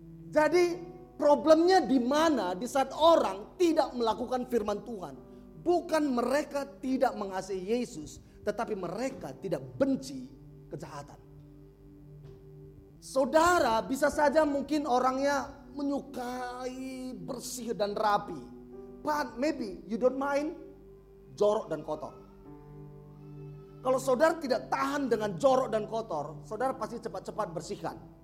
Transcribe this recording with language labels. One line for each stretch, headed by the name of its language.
Indonesian: Jadi problemnya di mana? Di saat orang tidak melakukan firman Tuhan. Bukan mereka tidak mengasihi Yesus, tetapi mereka tidak benci kejahatan. Saudara bisa saja mungkin orangnya menyukai bersih dan rapi.
English: But maybe you don't mind
Indonesian: jorok dan kotor. Kalau saudara tidak tahan dengan jorok dan kotor, saudara pasti cepat-cepat bersihkan.